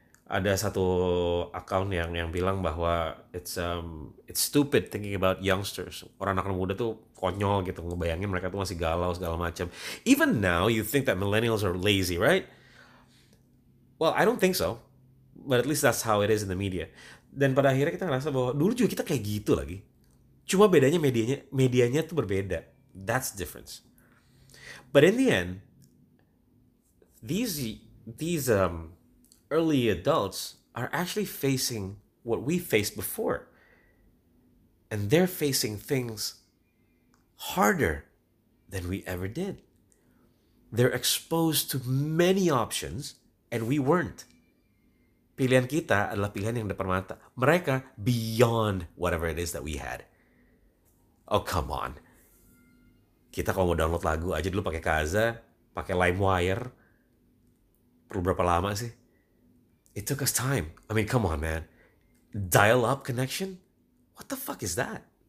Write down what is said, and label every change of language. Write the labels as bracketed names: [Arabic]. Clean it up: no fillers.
[Indonesian] Ada satu account yang bilang bahwa [English] it's stupid thinking about youngsters. [Indonesian] Orang anak muda tuh konyol gitu, ngebayangin mereka tuh masih galau segala macam. [English] Even now you think that millennials are lazy, right? Well, I don't think so. But at least that's how it is in the media. [Indonesian] Dan pada akhirnya kita ngerasa bahwa dulu juga kita kayak gitu lagi. Cuma bedanya medianya tuh berbeda. [English] That's the difference. But in the end, these early adults are actually facing what we faced before. And they're facing things harder than we ever did. They're exposed to many options, and we weren't. [Indonesian] Pilihan kita adalah pilihan yang depan mata. Mereka [English] beyond whatever it is that we had. Oh, come on. [Indonesian] Kita kalau mau download lagu aja dulu pakai Kazaa, pakai LimeWire. Perlu berapa lama sih? [English] It took us time. I mean, come on, man. Dial-up connection? What the fuck is that?